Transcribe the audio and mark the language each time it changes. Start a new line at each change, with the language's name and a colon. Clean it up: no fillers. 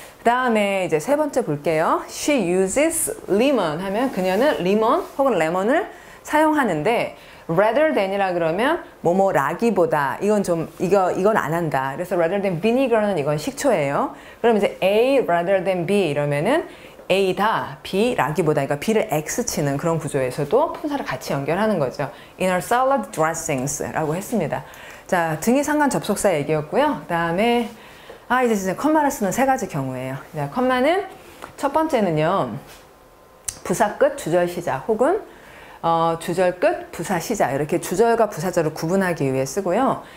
Korean: 그 다음에 이제 세 번째 볼게요.
English: She uses lemon
Korean: 하면 그녀는 lemon 혹은 레몬을 사용하는데
English: rather than
Korean: 이라 그러면 뭐뭐라기보다 이건 좀 이건 안 한다. 그래서
English: rather than vinegar
Korean: 는 이건 식초예요. 그럼 이제
English: A rather than B
Korean: 이러면은 A다 B라기보다 그러니까 B를 X치는 그런 구조에서도 품사를 같이 연결하는 거죠.
English: In her salad dressings
Korean: 라고 했습니다. 자 등이 상관 접속사 얘기였고요. 그 다음에 아 이제 진짜 콤마를 쓰는 세 가지 경우예요. 자, 콤마는 첫 번째는요 부사 끝 주절 시작 혹은 주절 끝 부사 시작 이렇게 주절과 부사절을 구분하기 위해 쓰고요.